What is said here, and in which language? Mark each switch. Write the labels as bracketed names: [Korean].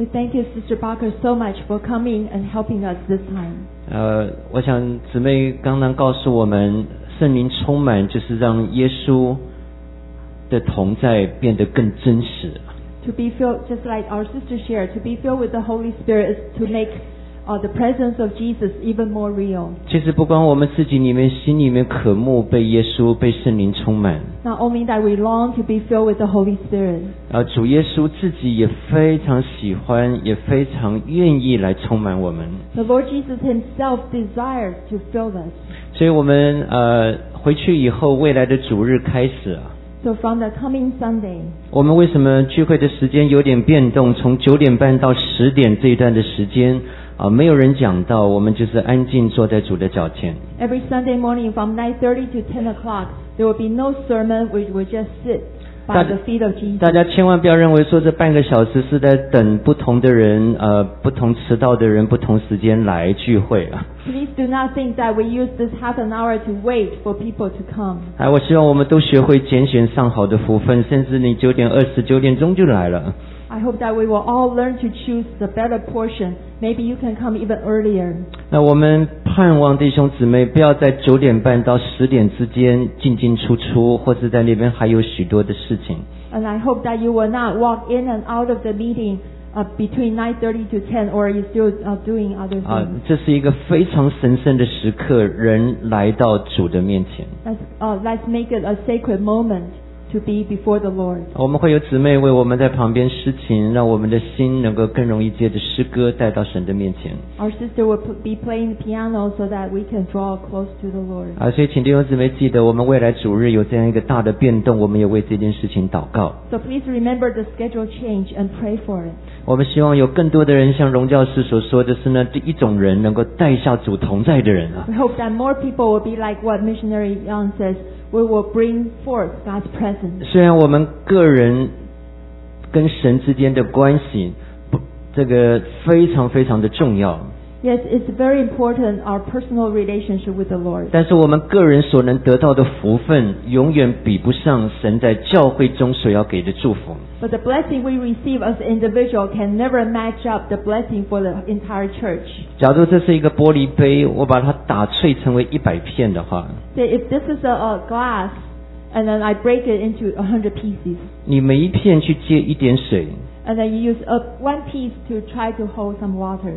[English] thank you, Sister Barker, so much for coming and helping us this time. [Chinese] 我想姊妹刚刚告诉我们，圣灵充满就是让耶稣的同在变得更真实。 [English] To be filled, just like our sister shared, to be filled with the Holy Spirit is to make the presence of Jesus even more real. [Chinese] 其实不光我们自己里面心里面渴慕被耶稣被圣灵充满。 [English] Not only that we long to be filled with the Holy Spirit. [Chinese] 主耶稣自己也非常喜欢，也非常愿意来充满我们。 [English] The Lord Jesus Himself desires to fill us. [Chinese] 所以我们回去以后，未来的主日开始啊。 [English] So from the coming Sunday, [Chinese] 我们为什么聚会的时间有点变动？从九点半到十点这一段的时间。没有人讲到，我们就是安静坐在主的脚前。 [English] Every Sunday morning from 9:30 to 10 o'clock, there will be no sermon. We will just sit by the feet of Jesus. [Chinese] 大家千万不要认为说这半个小时是在等不同的人，不同迟到的人，不同时间来聚会啊。 [English] Please do not think that we use this half an hour to wait for people to come. [Chinese] 哎，我希望我们都学会拣选上好的福分，甚至你九点二十、九点钟就来了。 [English] I hope that we will all learn to choose the better portion. Maybe you can come even earlier. [Chinese] 那我们盼望弟兄姊妹不要在九点半到十点之间进进出出，或是在那边还有许多的事情。 [English] And I hope that you will not walk in and out of the meeting between 9:30 to 10, or you still doing other things. [Chinese] 这是一个非常神圣的时刻，人来到主的面前。 [English] Let's make it a sacred moment. To be before the Lord. [Chinese] 我们会有姊妹为我们在旁边施情，让我们的心能够更容易借着诗歌带到神的面前。 [English] Our sister will be playing the piano so that we can draw close to the Lord. [Chinese] 所以请弟兄姊妹记得，我们未来主日有这样一个大的变动，我们也为这件事情祷告。 [English] So please remember the schedule change and pray for it. [Chinese] 我们希望有更多的人像荣教士所说的是呢，第一种人能够带下主同在的人。 [English] We hope that more people will be like what Missionary Young says. We will bring forth God's presence. [Chinese] 虽然我们个人跟神之间的关系，这个非常非常的重要。 [English] Yes, it's very important our personal relationship with the Lord. [Chinese] 但是我们个人所能得到的福分，永远比不上神在教会中所要给的祝福。 [English] But the blessing we receive as individual can never match up the blessing for the entire church. [Chinese] 假如这是一个玻璃杯，我把它打碎成为一百片的话。 [English] If this is a glass, and then I break it into 100 pieces. [Chinese] 你每一片去接一点水。 [English] And then you use one piece to try to hold some water.